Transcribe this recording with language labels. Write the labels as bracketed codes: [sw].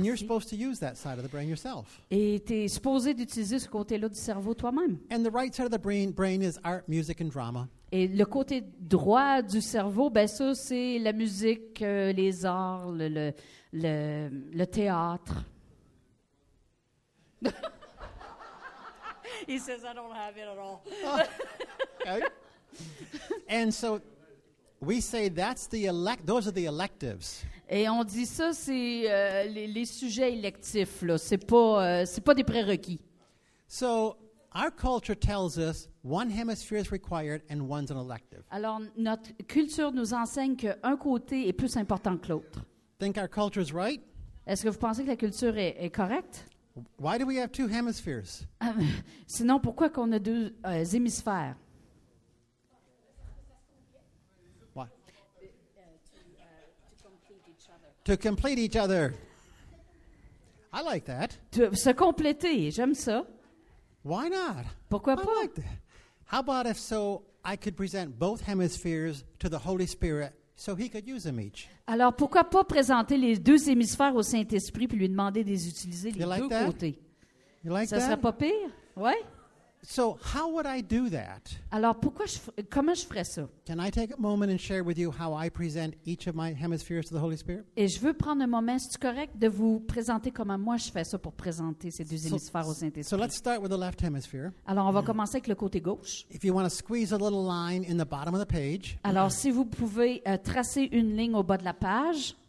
[en] And you're supposed to use that side of the brain yourself. [fr] Et t'es supposé d'utiliser ce côté-là du cerveau toi-même. [en] And the right side of the brain is art, music, and drama. [fr] Et le côté droit du cerveau, ben ça c'est la musique, les arts, le théâtre. [en] He says, "I don't have it at all." Okay. And so we say that's the elect. Those are the electives. [fr] Et on dit ça, c'est les sujets électifs. Là, c'est pas des prérequis. [en] So our culture tells us one hemisphere is required and one's an elective. [fr] Alors notre culture nous enseigne qu'un côté est plus important que l'autre. [en] Think our culture is right? [fr] Est-ce que vous pensez que la culture est correcte? [en] Why do we have two hemispheres? [fr] Sinon, pourquoi qu'on a deux hémisphères? [en] What? To complete each other. To complete each other. I like that. [fr] Se compléter, j'aime ça. [en] Why not? [fr] Pourquoi pas? [en] I like that. How about if so I could present both hemispheres to the Holy Spirit so he could use them each? [fr] Alors, pourquoi pas présenter les deux hémisphères au Saint-Esprit puis lui demander de les utiliser les deux côtés? Ça ne serait pas pire? Oui? [en] So, how would I do that? [fr] Alors, comment je ferais ça? [en] Can I take a moment and share with you how I present each of my hemispheres to the Holy Spirit? [fr] Et je veux prendre un moment, c'est correct, de vous présenter comment moi je fais ça pour présenter ces deux hémisphères au Saint-Esprit. [en] So, let's start with the left hemisphere. [fr] Alors, on va commencer avec le côté gauche. [en] If you want to squeeze a little line in the bottom of the page. [fr] Alors, si vous pouvez tracer une ligne au bas de la page.